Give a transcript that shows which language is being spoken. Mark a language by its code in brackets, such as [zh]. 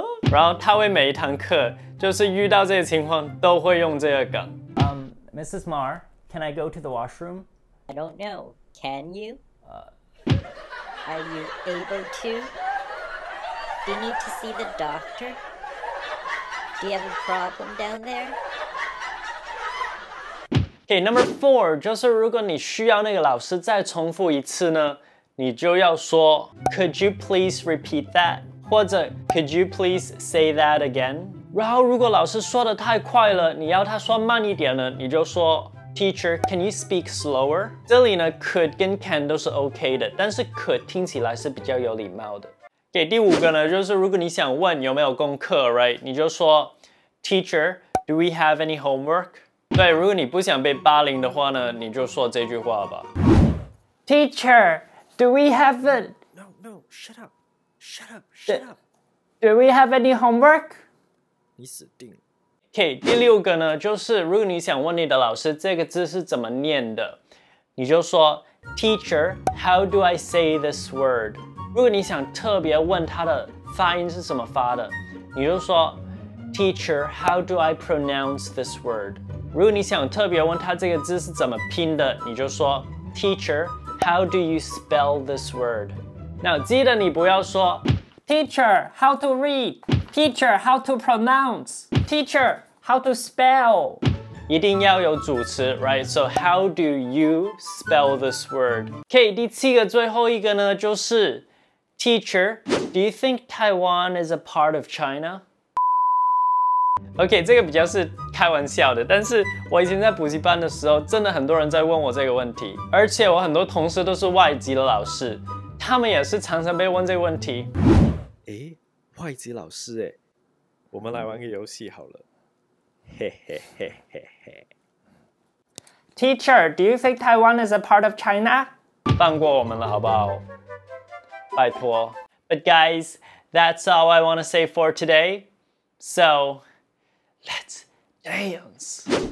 [zh] 然后他会每一堂课就是遇到这些情况都会用这个梗。 [en] Mrs. Marr, can I go to the washroom? I don't know. Can you? Are you able to? Do you need to see the doctor? Do you have a problem down there? Okay, number four, [zh] 就是如果你需要那个老师再重复一次呢，你就要说 [en] Could you please repeat that? [zh] 或者 [en] Could you please say that again? [zh] 然后如果老师说得太快了，你要他说慢一点呢，你就说 [en] Teacher, can you speak slower? [zh] 这里呢 could 跟 can 都是 OK 的，但是 could 听起来是比较有礼貌的。给第五个呢，就是如果你想问有没有功课 ， [en] right? [zh] 你就说 [en] Teacher, do we have any homework? [zh] 对，如果你不想被霸凌的话呢，你就说这句话吧。 [en] Teacher, do we have a... No, shut up. Shut up. Do we have any homework? [zh] 你死定了。 OK, 第六个呢，就是如果你想问你的老师这个字是怎么念的，你就说 [en] Teacher, how do I say this word? [zh] 如果你想特别问他的发音是怎么发的，你就说 [en] Teacher, how do I pronounce this word? [zh] 如果你想特别问他这个字是怎么拼的，你就说 [en] Teacher, how do you spell this word? [zh] 那记得你不要说 [en] Teacher, how to read? Teacher, how to pronounce? Teacher, how to spell? [zh] 一定要有主词 [en] right? So how do you spell this word? [zh] OK, 第七个最后一个呢就是 [en] Teacher, do you think Taiwan is a part of China? [zh] OK, 这个比较是开玩笑的，但是我以前在补习班的时候真的很多人在问我这个问题，而且我很多同事都是外籍的老师，他们也是常常被问这个问题。诶，外籍老师诶，我们来玩个游戏好了， [en] Teacher, do you think Taiwan is a part of China? [zh] 放过我们了好不好？拜托。 [en] But guys, that's all I want to say for today. So, let's dance.